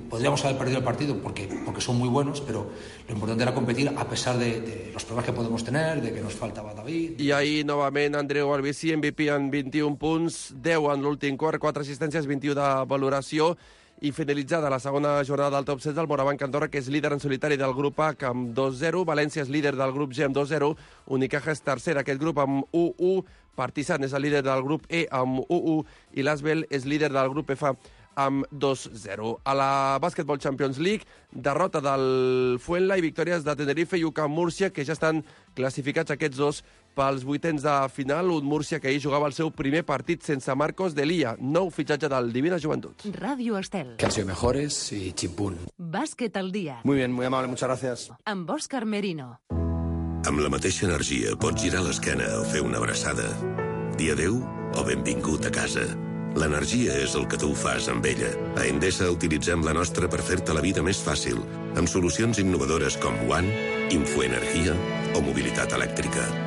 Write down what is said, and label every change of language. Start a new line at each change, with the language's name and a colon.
Spanish: Podríamos haber perdido el partido porque son muy buenos, pero lo importante era competir a pesar de los problemas que podemos tener, de que nos faltaba David...
Catalan: I ahir, novament, Andreu Albici, MVP en 21 punts, 10 en l'últim quart, 4 assistències, 21 de valoració, i finalitzada la segona jornada del top 6 del Morabanc Andorra, que és líder en solitari del grup A, que amb 2-0, València és líder del grup G amb 2-0, Unicaja és tercer aquest grup amb 1-1, Partizan és el líder del grup E amb 1-1, i l'Asvel és líder del grup F amb 2-0. A la Basketball Champions League, derrota del Fuenla i victòries de Tenerife i UCAM Múrcia, que ja estan classificats aquests dos pels vuitens de final. Un Múrcia que ahir jugava el seu primer partit sense Marcos de Lía, nou fitxatge del Divina Joventut. Ràdio Estel.
Spanish: Que han sido mejores y chimpún.
Catalan: Bàsquet al dia.
Spanish: Muy bien, muy amable, muchas gracias.
Catalan: Amb Òscar Merino. Amb la mateixa energia pots girar l'esquena o fer una abraçada. Di adeu o benvingut a casa. L'energia és el que tu fas amb ella. A Endesa utilitzem la nostra per fer-te la vida més fàcil, amb solucions innovadores com One, Infoenergia o Mobilitat Elèctrica.